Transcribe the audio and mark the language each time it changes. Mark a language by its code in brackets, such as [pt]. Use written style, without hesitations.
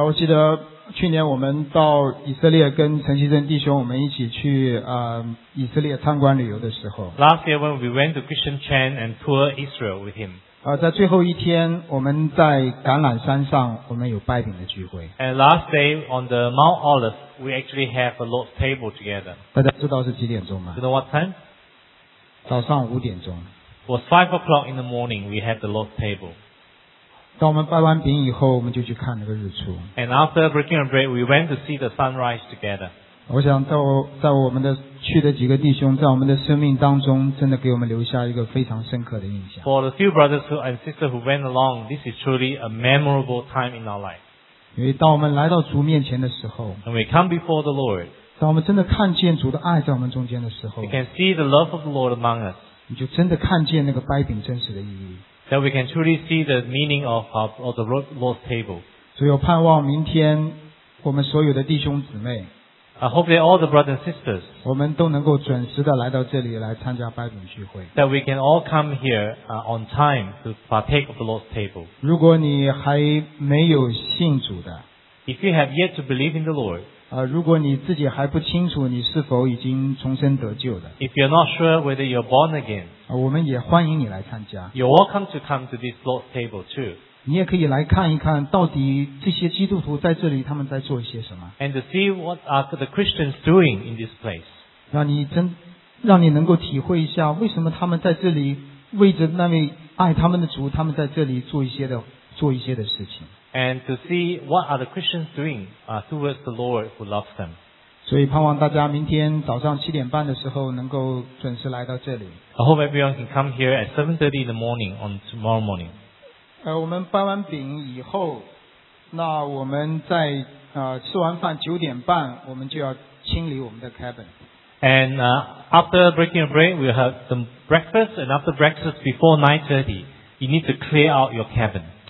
[zh] 我记得去年我们到以色列跟陈其贞弟兄我们一起去以色列参观旅游的时候 [en] ，Last year when we went to Christian Chan and tour Israel with him。 [zh] 在最后一天我们在橄榄山上我们有拜饼的聚会。 [en] And last day on the Mount Olive, we actually have a Lord's table together. [zh] 大家知道是几点钟吗 [en] ?Do you know what time? [zh] 早上五点钟。 [en] It was 5 o'clock in the morning, we had the Lord's table. [zh] 当我们拜完饼以后我们就去看那个日出。 [en] And after breaking a break, we went to see the sunrise together. [zh] 我想在我们的去的几个弟兄在我们的生命当中真的给我们留下一个非常深刻的印象。 [en] For the few brothers and sisters who went along, this is truly a memorable time in our life. [zh] 因为当我们来到主面前的时候 [en] When we come before the Lord, [zh] 当我们真的看见主的爱在我们中间的时候 [en] We can see the love of the Lord among us. [zh] 你就真的看见那个掰饼真实的意义。 [en] That we can truly see the meaning of the Lord's table. [zh] 所以我盼望明天我们所有的弟兄姊妹 [en] I hope that all the brothers and sisters, [zh] 我们都能够准时的来到这里来参加拜饼聚会 [en] that we can all come here on time to partake of the Lord's table. [zh] 如果你还没有信主的 [en] if you have yet to believe in the Lord, [zh] 如果你自己还不清楚你是否已经重生得救的 [en] if you're not sure whether you're born again, [zh] 我们也欢迎你来参加 [en] you're welcome to come to this Lord's table too. [zh] 你也可以来看一看到底这些基督徒在这里他们在做一些什么 [en] And to see what are the Christians doing in this place [zh] 让你能够体会一下为什么他们在这里为着那位爱他们的主他们在这里做一些的事情 [en] And to see what are the Christians doing towards the Lord who loves them [zh] 所以盼望大家明天早上七点半的时候能够准时来到这里 [en] I hope everyone can come here at 7:30 in the morning on tomorrow morning [zh] 我们掰完饼以后那我们在吃完饭九点半我们就要清理我们的 cabin [en] and after breaking a break we'll have some breakfast and after breakfast before 9:30 you need to clear out your cabin